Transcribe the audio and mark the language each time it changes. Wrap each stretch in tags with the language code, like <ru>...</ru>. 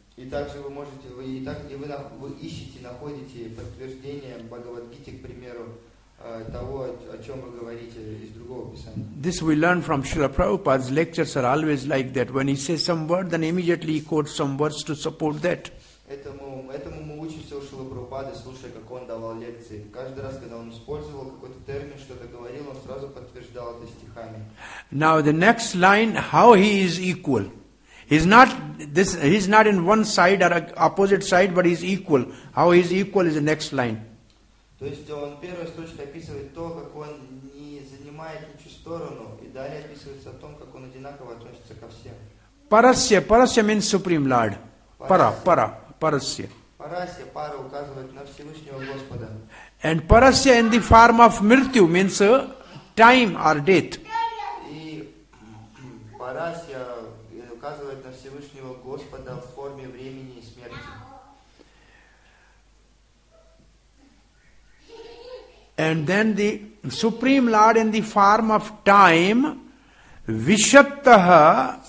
<en>This we learn from Srila Prabhupada's lectures are always like that. When he says some word, then immediately he quotes some verse to support that.</en> <ru>Этому мы учимся у Шрила Прабхупады, слушая, как он давал лекции. Каждый раз, когда он использовал какой-то термин, что-то говорил, он сразу подтверждал это стихами.</ru> <en>Now the next line, how he is equal. He's not in one side or opposite side, but he's equal. How he's equal is the next line.</en> <ru>То есть он первая строчка описывает то, как он не занимает ничью сторону, и далее описывается о том, как он одинаково относится ко всем.</ru> <en>Parasya, parasya means supreme lord. Parasya.</en> <ru>Parasya, para указывает на Всевышнего Господа.</ru> <en>And parasya in the form of mrityu means time or death.</en> <ru>И parasya указывает на Всевышнего Господа в форме времени и смерти.</ru> <en>And then the supreme lord in the form of time, vishattaha.</en>